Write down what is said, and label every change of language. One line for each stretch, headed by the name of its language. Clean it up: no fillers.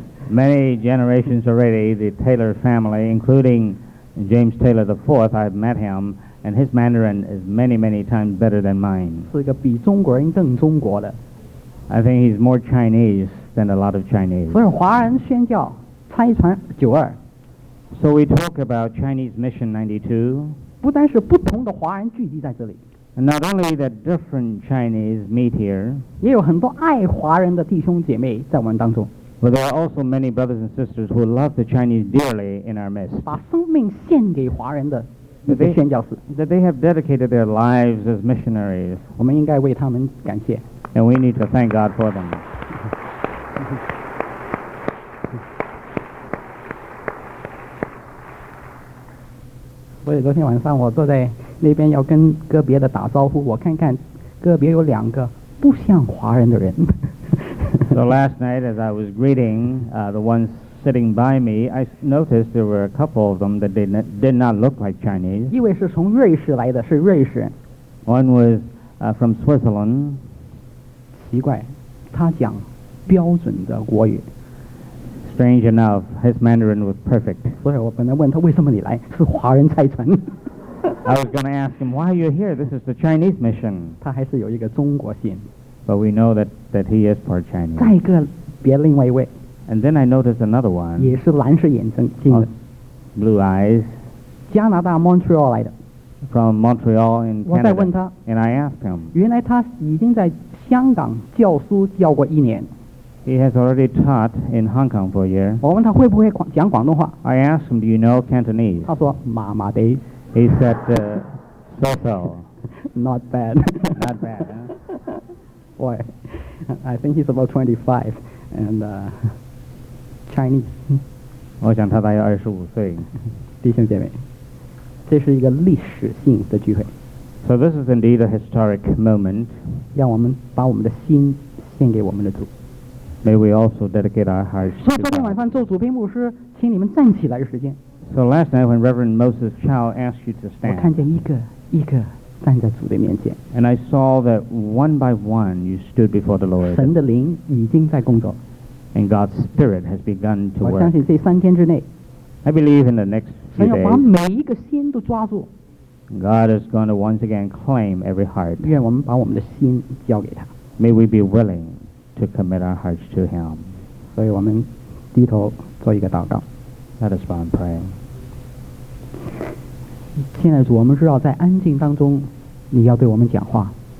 English: Many generations already, the Taylor family, including James Taylor the Fourth, I've met him. And his Mandarin is many, many times better than mine.
Chinese: 是一个比中国人更中国的。
English: I think he's more Chinese than a lot of Chinese.
Chinese: 所以华人宣教拆船九二。
English: So we talk about Chinese Mission 92.
Chinese: 不单是不同的华人聚集在这里。
English: And not only that different Chinese meet here.
Chinese: 也有很多爱华人的弟兄姐妹在我们当中。
English: But there are also many brothers and sisters who love the Chinese dearly in our midst.
Chinese: 把生命献给华人的。
English: That they have dedicated their lives as missionaries.
Chinese: 我们应该为他们感谢。
English: And we need to thank God for them.
Chinese: 所以昨天晚上我坐在那边要跟个别的打招呼，我看看个别有两个不像华人的人。
English: So last night as I was greeting the ones. Sitting by me, I noticed there were a couple of them that did not look like Chinese.
Chinese: 一位是从瑞士来的，是瑞士人。
English: One was from Switzerland.
Chinese: 奇怪，他讲标准的国语。
English: Strange enough, his Mandarin was perfect.
Chinese: 所以我本来问他为什么你来，是华人拆船。
English: I was going to ask him, why are you here? This is the Chinese mission.
Chinese: 他还是有一个中国心。
English: But we know that he is part Chinese.
Chinese: 再一个，别另外一位。
English: And then I noticed another one.
Chinese: 也是蓝色眼睛进的。
English: Blue eyes.
Chinese: 加拿大 Montreal 来的。
English: From Montreal in Canada.
Chinese: 我在问他。
English: And I asked him.
Chinese: 原来他已经在香港教书教过一年。
English: He has already taught in Hong Kong for a year.
Chinese: 我问他会不会讲广东话。
English: I asked him, do you know Cantonese?
Chinese: 他说麻麻的。
English: He said, so-so. Not bad. Not bad, huh? Boy, I think he's about 25. And, Chinese.
Chinese: 我想他大约25岁。弟兄姐妹，这是一个历史性的聚会。
English: So this is indeed a historic moment.
Chinese: 让我们把我们的心献给我们的主。
English: May we also dedicate our hearts to God.
Chinese: 昨天晚上，咒主编牧师请你们站起来的时间。
English: So last night when Reverend Moses Chow asked you to stand,
Chinese: 我看见一个一个站在主的面前。
English: And I saw that one by one you stood before the Lord.
Chinese: 神的灵已经在工作。
English: And God's Spirit has begun to work.
Chinese: 我相信这三天之内。
English: I believe in the next few days.
Chinese: 神要把每一个心都抓住。
English: God is going to once again claim every heart.
Chinese: 愿我们把我们的心交给他。
English: May we be willing to commit our hearts to Him.
Chinese: 所以我们低头做一个祷告。
English: Let us bow and pray.
Chinese: 亲爱的主，我们知道在安静当中，你要对我们讲话。